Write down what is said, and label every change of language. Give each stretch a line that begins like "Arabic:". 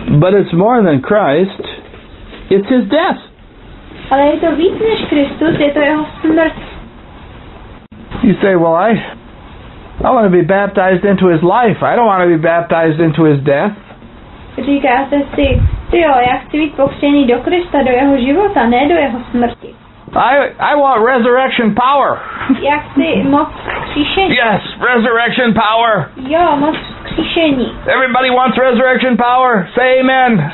English: But it's more than Christ, it's his death.
Czech: Ale je to víc než Kristus, je to jeho smrt.
English: You say, well, I want to be baptized into his life. I don't want to be baptized into his death.
Czech: Říkáte si, tyjo, já chci být pokřtěný do Krista, do jeho života, ne do jeho smrti.
English: I want resurrection power.
Czech: Já chci moc vzkříšení.
English: Yes, resurrection power.
Czech: Jo, moc vzkříšení.
English: Everybody wants resurrection power. Say amen.